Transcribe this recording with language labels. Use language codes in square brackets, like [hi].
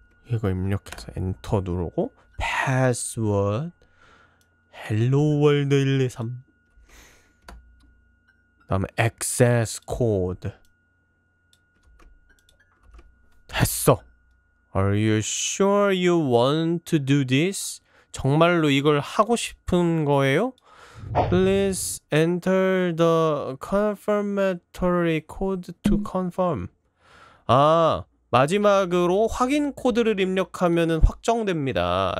[ko] 이거 입력해서 엔터 누르고 [en] password hello world 123 [ko] 다음에 [en] access code [ko] 했어. [en] Are you sure you want to do this? [ko] 정말로 이걸 하고 싶은 거예요? [en] Please enter the confirmatory code to confirm. [ko] 아, 마지막으로 확인 코드를 입력하면은 확정됩니다.